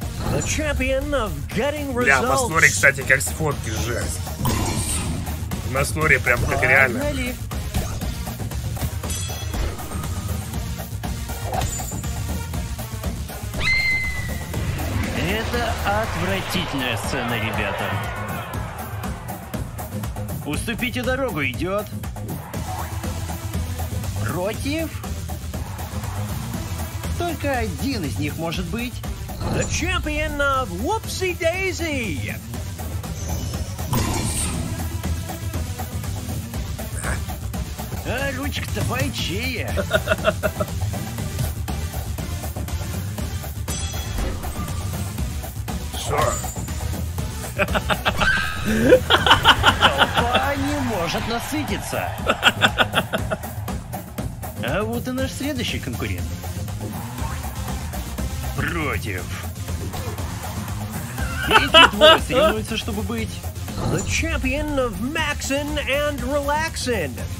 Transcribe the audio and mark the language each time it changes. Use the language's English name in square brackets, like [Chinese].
[English] The champion of getting results. [Russian] Бля, на Слоре, кстати, как с фотки, жесть. На Слоре прям как Погнали. Реально. Отвратительная сцена, ребята. Уступите дорогу, идет. Против? Только один из них может быть. [English] The champion of Whoopsie Daisy! [Russian] А ручка-то бойчея. Толпа не может насытиться. А вот и наш следующий конкурент. Против. Эти двое соединяются, чтобы быть [English] The champion of Maxin and Relaxin.